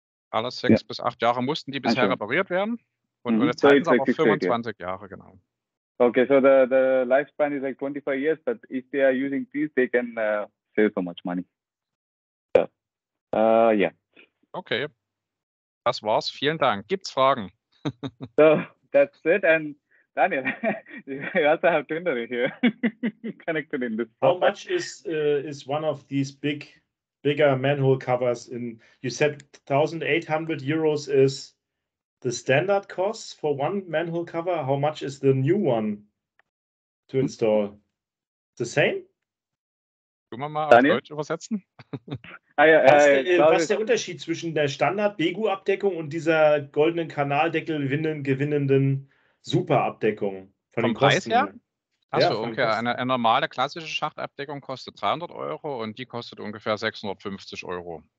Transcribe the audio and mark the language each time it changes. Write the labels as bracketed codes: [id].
[de] Alle 6 yeah. bis 8 Jahre mussten die bisher repariert werden, und jetzt halten sie aber 25 Jahre, genau. [en] Okay, so the lifespan is like 25 years, but if they are using these, they can save so much money. So, yeah. [de] Okay, das war's, vielen Dank. Gibt's Fragen? [en] So, that's it, and Daniel, you also have Tinder here connected in this. How much is one of these bigger manhole covers in? You said 1,800 euros is the standard cost for one manhole cover. How much is the new one to install? The same? [de] Können wir mal Daniel? Auf Deutsch übersetzen? Was ist der Unterschied zwischen der Standard-Begu-Abdeckung und dieser goldenen Kanaldeckel gewinnenden Super-Abdeckung von dem Preis her? Achso, ja, okay. Eine normale klassische Schachtabdeckung kostet 300 Euro und die kostet ungefähr 650 Euro.